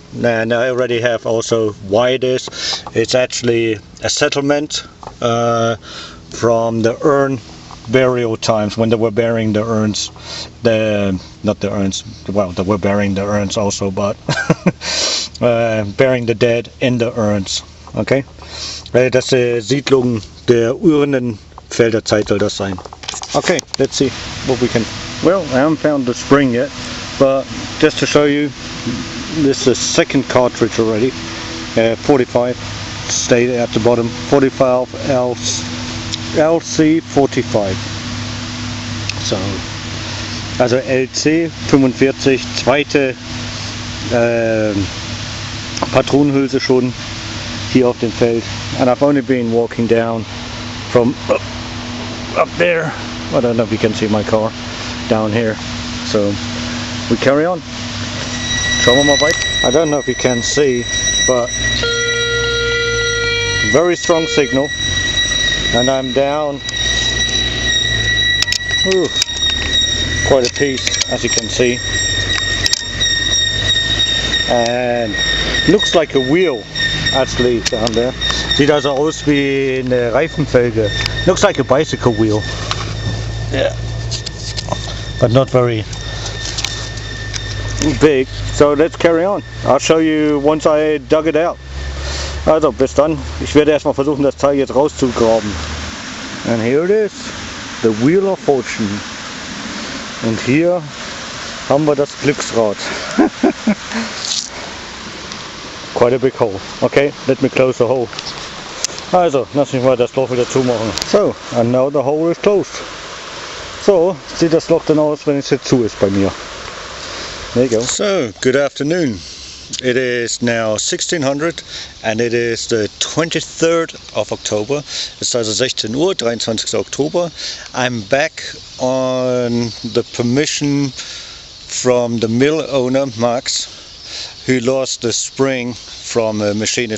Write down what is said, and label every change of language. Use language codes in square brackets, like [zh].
[en] And I already have also why it is. It's actually a settlement from the urn burial times when they were burying the urns, burying the dead in the urns. [de] Okay, das Siedlung der Urnenfelder Zeit soll das sein. [en] Okay, let's see what we can. Well, I haven't found the spring yet, but just to show you, this is the second cartridge already. 45 stayed at the bottom. 45 LC45. [de] So, also LC 45, zweite Patronenhülse schon hier auf dem Feld. [en] And I've only been walking down from up there. I don't know if you can see my car down here. So, we carry on. [de] Schauen wir mal weiter. [en] I don't know if you can see, but very strong signal. And I'm down. Ooh. Quite a piece, as you can see, and looks like a wheel actually down there. [de] Sieht also aus wie eine Reifenfelge. [en] Looks like a bicycle wheel. Yeah, but not very big. So let's carry on. I'll show you once I dug it out. [de] Also bis dann. Ich werde erstmal versuchen, das Teil jetzt rauszugraben. [en] And here it is, the wheel of fortune. [de] Und hier haben wir das Glücksrad. [en] Quite a big hole. Okay, let me close the hole. [de] Also, lass mich mal das Loch wieder zumachen. [en] So, and now the hole is closed. [de] So, sieht das Loch dann aus, wenn es jetzt zu ist bei mir. [en] There you go. So, good afternoon. It is now 1600 and it is the 23rd of October. It's also [de] 16 Uhr, 23. Oktober. [en] I'm back on the permission from the mill owner, Max, who lost the spring from a machine.